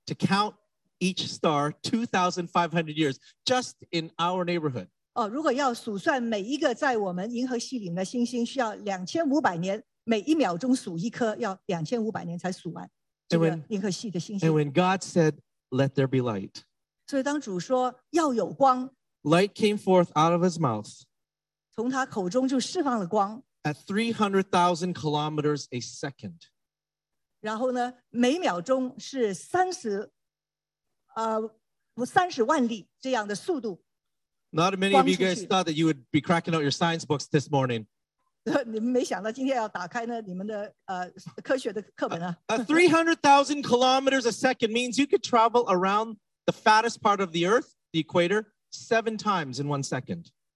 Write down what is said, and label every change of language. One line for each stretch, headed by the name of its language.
English: To count each star 2,500 years just in our neighborhood.
Chinese: 如果要数算每一个在我们银河系里面的星星, 需要2,500年每一秒钟数一颗, 要2,500年才数完.
English: And when God said, let there be light,
Chinese: 所以当主说, 要有光,
English: light came forth out of his mouth,
Chinese: 从他口中就释放了光,
English: at 300,000 kilometers a second.
Chinese: 然后呢, 每秒钟是30万里, 这样的速度,
English: not many of you guys thought that you would be cracking out your science books this morning.
Chinese: 你们没想到今天要打开呢你们的科学的课本啊。
English: 300,000 kilometers a second means you could travel around the fattest part of the earth, the equator, 7 times in 1 second.